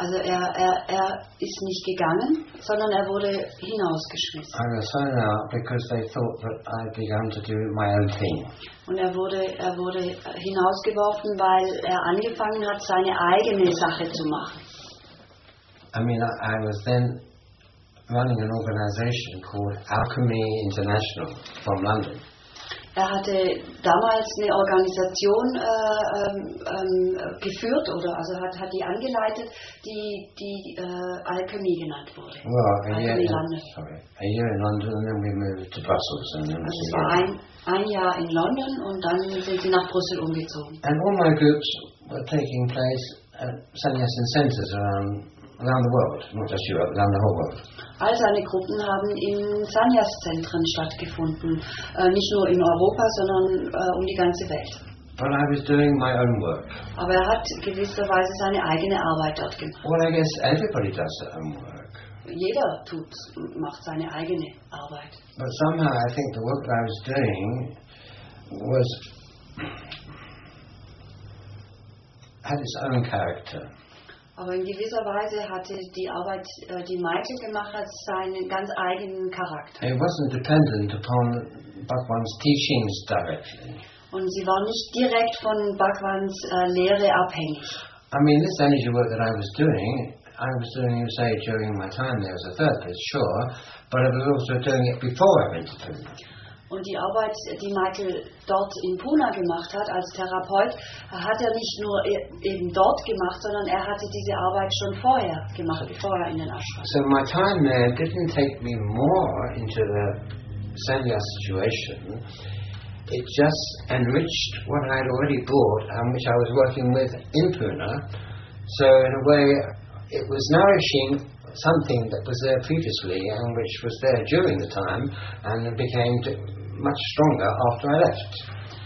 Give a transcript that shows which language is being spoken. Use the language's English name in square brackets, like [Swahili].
[German] Also er ist nicht gegangen, sondern er wurde hinausgeschmissen. [English] I was thrown out because they thought that I began to do my own thing. [German] Und er wurde hinausgeworfen, weil er angefangen hat, seine eigene Sache zu machen. [English] I mean, I was then running an organization called Alchemy International from London. [German] Er hatte damals eine Organisation geführt oder also hat die angeleitet, die Alchemy genannt wurde. [English] Well, a year in London and then we moved to Brussels. And then [German] also ein Jahr in London und dann sind sie nach Brüssel umgezogen. [English] And all my groups were taking place at Sannyasin centers around the world, not just Europe, around the whole world. [German] All seine Gruppen haben in Sannyas-Zentren stattgefunden, nicht nur in Europa, sondern um die ganze Welt. [English] But I was doing my own work. [German] Aber er hat gewisserweise seine eigene Arbeit dort gemacht. [English] Well, I guess everybody does their own work. [German] Jeder tut, macht seine eigene Arbeit. [English] But somehow I think the work that I was doing was had its own character. [German] Aber in gewisser Weise hatte die Arbeit, die Maite gemacht hat, seinen ganz eigenen Charakter. [English] It wasn't dependent upon Bhagwan's teachings directly. [German] Und sie war nicht direkt von Bhagwan's Lehre abhängig. [English] I mean, this energy work that I was doing, you say, during my time there as a therapist, sure, but I was also doing it before I went to Pune. [German] Und die Arbeit, die Michael dort in Pune gemacht hat, als Therapeut, hat er nicht nur eben dort gemacht, sondern er hatte diese Arbeit schon vorher gemacht, bevor er in den Ashram. [English] So my time there didn't take me more into the sannyas situation. It just enriched what I had already bought and which I was working with in Pune. So in a way, it was nourishing something that was there previously and which was there during the time and became much stronger after I left.